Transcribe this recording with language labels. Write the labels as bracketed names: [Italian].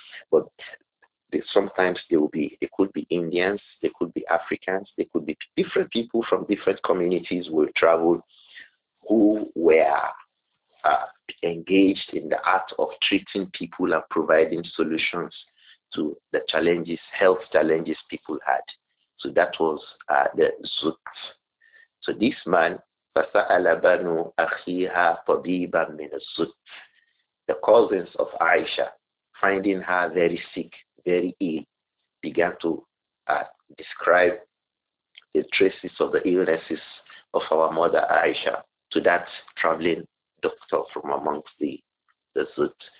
[English] But sometimes they will be, they could be Indians, they could be Africans, they could be different people from different communities who traveled, who were engaged in the art of treating people and providing solutions to the challenges, health challenges people had. So that was the zut. So this man, [Arabic] فَسَأَلَ بَنُوا أَخِيهَا طَبِيبًا مِنَ الزُّتْ. [English] The cousins of Aisha, finding her very sick, very ill, began to describe the traces of the illnesses of our mother Aisha to that traveling doctor from amongst the zut.